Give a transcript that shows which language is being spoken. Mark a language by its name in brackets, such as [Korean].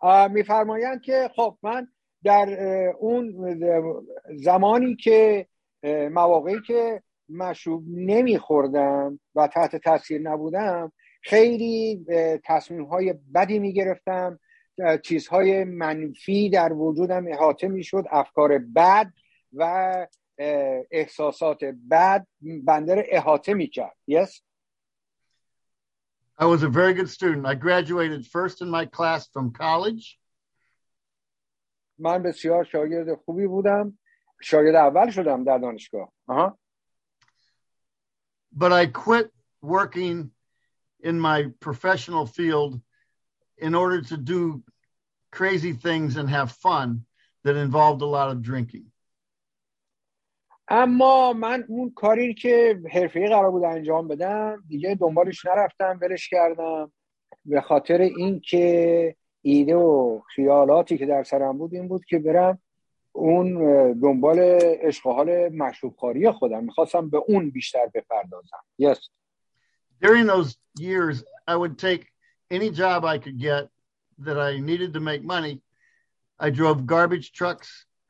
[Persian] می فرمایند که خب من در اون زمانی که مواقعی که مشروب نمی خوردم و تحت تاثیر نبودم خیلی تصمیم های بدی می گرفتم، چیزهای منفی در وجودم احاطه می شد، افکار بد و احساسات بد بنده رو احاطه می‌کرد. [English] Yes. I was a very good student. I graduated first in my class from college. [Persian] من بسیار شاگرد خوبی بودم. شاگرد اول شدم در دانشگاه. [English] But I quit working in my professional field in order to do crazy things and have fun that involved a lot of drinking. [Persian] اما من اون کاری که حرفه‌ای قرار بود انجام بدم دیگه دنبالش نرفتم، ولش کردم به خاطر این که ایده و خیالاتی که در سرم بود این بود که برم اون دنبال عشق و حال مشروبخواری خودم، می‌خواستم به اون بیشتر بپردازم. [English] Yes. During those years I would take any job I could get that I needed to make money. I drove garbage trucks.